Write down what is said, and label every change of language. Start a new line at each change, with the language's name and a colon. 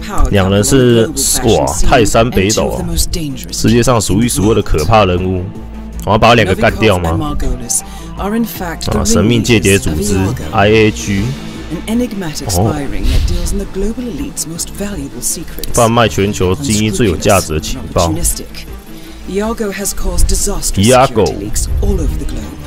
Chinese: 两人是哇，泰山北斗啊，世界上数一数二的可怕人物。我要把两个干掉吗？啊，神秘间谍组织 IAG。
English: An enigmatic spy ring that deals in the global elite's most valuable secrets.
Chinese: 贩卖全球精英最有价值的情报。
English: Iago has caused disastrous security leaks all over the globe.